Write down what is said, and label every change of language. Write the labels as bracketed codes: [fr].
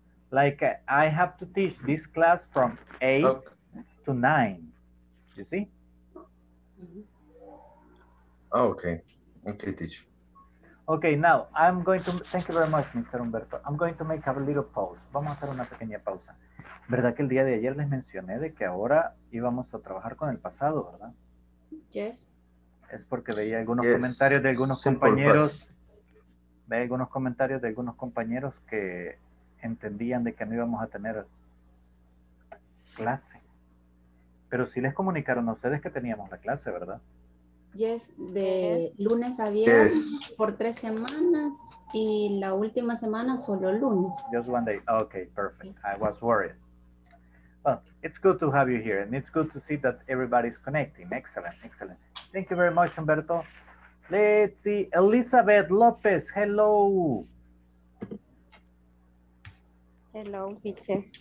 [en] Like I have to teach this class from 8 okay. to 9. You see? Okay. Okay, teacher. Okay, now I'm going to, thank you very much, Mr. Humberto. I'm going to make a little pause. [es] Vamos a hacer una pequeña pausa. ¿Verdad que el día de ayer les mencioné de que ahora íbamos a trabajar con el pasado, verdad? [en] Yes. [es] Es porque veía algunos yes. comentarios de algunos Simple compañeros. Ve algunos comentarios de algunos compañeros que entendían de que no íbamos a tener clase. Pero sí les comunicaron a ustedes que teníamos la clase, ¿verdad? Yes, de lunes a viernes yes. por 3 semanas y la última semana solo lunes. [en] Just one day. Okay, perfect. Okay. I was worried. Well, it's good to have you here and it's good to see that everybody's connecting. Excellent, excellent. Thank you very much, Humberto. Let's see, Elizabeth López. Hello. Hello, teacher.